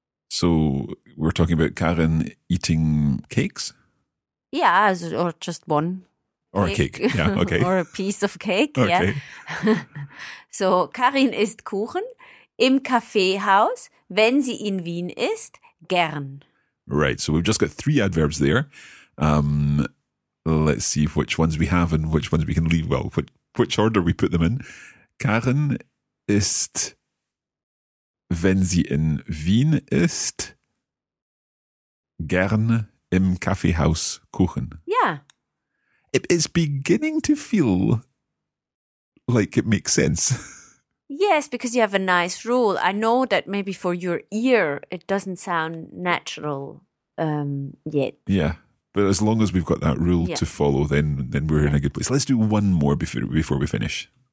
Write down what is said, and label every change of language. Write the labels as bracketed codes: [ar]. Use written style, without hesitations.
[en] So, we're talking about Karin eating cakes? Yeah, or just one. Or cake. A cake, yeah, okay. Or a piece of cake, okay. Yeah. [de] So, Karin isst Kuchen im Kaffeehaus, wenn sie in Wien ist, gern. [en] Right, so we've just got three adverbs there. Let's see which ones we have and which ones we can leave. Well, which order we put them in. [de] Karin isst... Wenn sie in Wien ist, gern im Kaffeehaus Kuchen. [en] Yeah. It's beginning to feel like it makes sense. Yes, because you have a nice rule. I know that maybe for your ear it doesn't sound natural yet. Yeah, but as long as we've got that rule to follow, then we're in a good place. Let's do one more before we finish.